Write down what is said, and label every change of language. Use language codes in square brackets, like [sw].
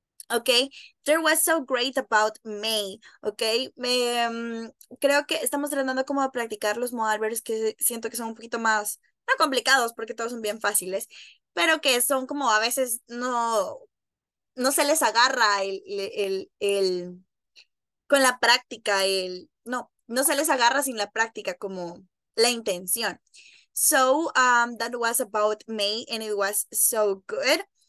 [en] Okay, there was so great about May, okay? [es] Creo que estamos tratando como de practicar los modal verbs que siento que son un poquito más, no complicados porque todos son bien fáciles, pero que son como a veces no se les agarra el con la práctica, no se les agarra sin la práctica como la intención. [en] So, that was about May and it was so good.